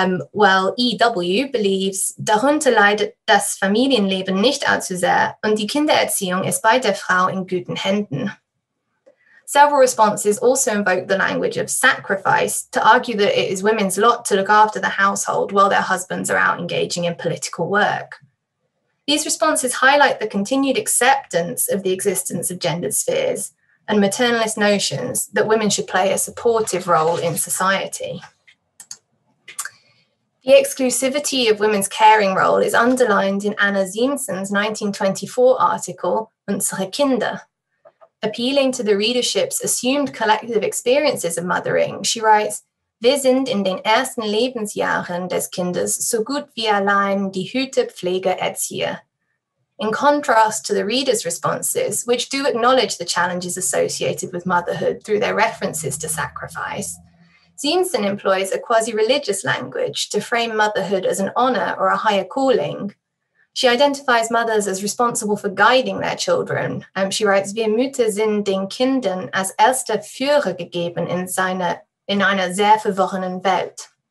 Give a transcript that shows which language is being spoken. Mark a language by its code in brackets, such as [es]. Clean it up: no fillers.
[en] While EW believes, [de] "Darunter leidet das Familienleben nicht allzu sehr und die Kindererziehung ist bei der Frau in guten Händen." [en] Several responses also invoke the language of sacrifice to argue that it is women's lot to look after the household while their husbands are out engaging in political work. These responses highlight the continued acceptance of the existence of gendered spheres and maternalist notions that women should play a supportive role in society. The exclusivity of women's caring role is underlined in Anna Ziemsen's 1924 article, Unsere Kinder. Appealing to the readership's assumed collective experiences of mothering, she writes, [de] "Wir sind in den ersten Lebensjahren des Kindes so gut wie allein die Hüte, Pflege, Erzieher." [en] In contrast to the reader's responses, which do acknowledge the challenges associated with motherhood through their references to sacrifice, Ziemsen employs a quasi-religious language to frame motherhood as an honour or a higher calling. She identifies mothers as responsible for guiding their children. She writes, [de] "Wir Mütter sind den Kindern als erster Führer gegeben in einer sehr verworrenen Welt."